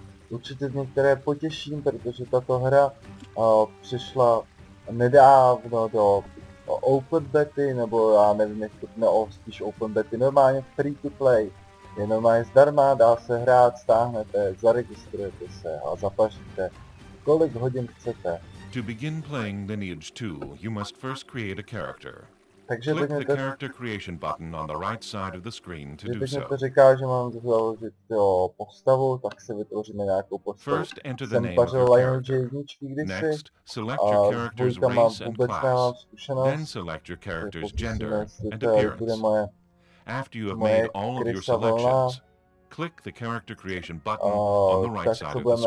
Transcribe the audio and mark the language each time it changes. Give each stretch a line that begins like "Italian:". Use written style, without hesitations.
Czech: Určitě některé potěším, protože tato hra přišla nedávno do open bety, nebo já nevím, jak to bylo, spíš open bety, normálně free to play. Je normálně zdarma, dá se hrát, stáhnete, zaregistrujete se a zapašíte, kolik hodin chcete.
English: To begin playing Lineage 2, you must first create a character.
Czech: Takže
English: click the character creation button on the right side of the screen to do so.
Czech: To říká, že mám založit postavu, tak si vytvoříme nějakou postavu.
English: First enter the name of your character. Next, select your character's race and class. Then select your character's gender and appearance. After you have made all of your selections, click the character creation button on the right side of the screen.